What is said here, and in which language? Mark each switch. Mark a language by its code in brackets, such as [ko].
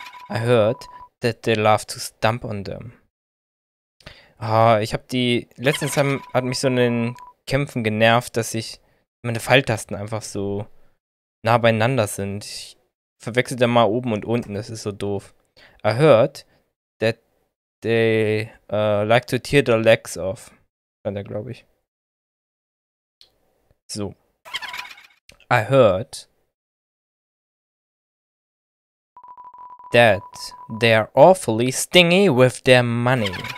[en] I heard that they love to stomp on them. [de] Letztens hat mich so in den Kämpfen genervt, dass ich meine Pfeiltasten einfach so nah beieinander sind. Ich verwechsel da mal oben und unten, das ist so doof. [en] I heard that they like to tear their legs off. [de] Dann glaube ich. [en] So. I heard that they're awfully stingy with their money.